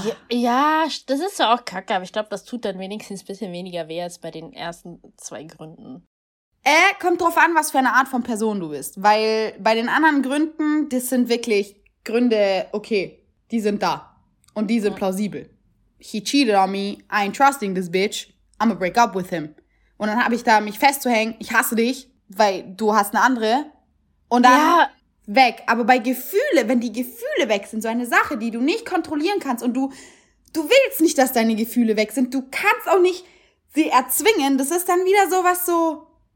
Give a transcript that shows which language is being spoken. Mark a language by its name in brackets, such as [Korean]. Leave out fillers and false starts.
[German] Ja, das ist ja auch kacke. Aber ich glaube, das tut dann wenigstens ein bisschen weniger weh als bei den ersten zwei Gründen. Kommt drauf an, was für eine Art von Person du bist. Weil bei den anderen Gründen, das sind wirklich Gründe, okay, die sind da. Und die sind plausibel. [English] He cheated on me, I ain't trusting this bitch, I'ma break up with him. [German] Und dann habe ich da mich festzuhängen, ich hasse dich, weil du hast eine andere. Und dann weg. Aber bei Gefühle, wenn die Gefühle weg sind, so eine Sache, die du nicht kontrollieren kannst und du willst nicht, dass deine Gefühle weg sind, du kannst auch nicht sie erzwingen, das ist dann wieder sowas so...